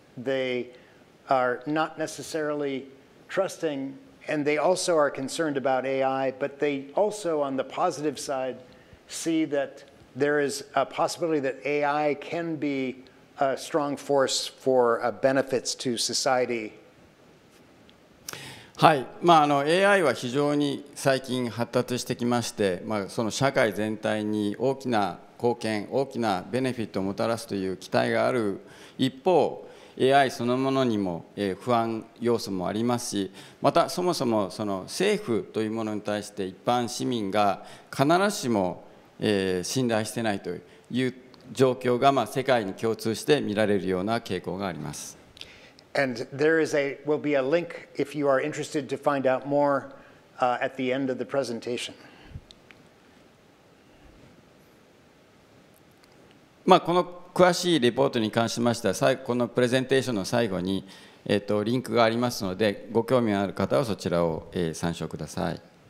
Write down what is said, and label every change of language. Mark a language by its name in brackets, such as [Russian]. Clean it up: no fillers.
[English] They are not necessarily trusting, and they also are concerned about AI, but they also, on the positive side, see that there is a possibility that AI can be a strong force for benefits to society. [Japanese] はい、まあ、AI は非常に最近発達してきまして、まあ、その社会全体に大きな貢献、大きなベネフィットをもたらすという期待がある一方、AI そのものにも不安要素もありますし、またそもそもその政府というものに対して一般市民が必ずしも信頼してないという状況が、まあ、世界に共通して見られるような傾向があります。 [English] And there is a, will be a link if you are interested to find out more at the end of the presentation. [Japanese] まあ、この詳しいレポートに関しましては、このプレゼンテーションの最後に、リンクがありますので、ご興味のある方はそちらを、参照ください。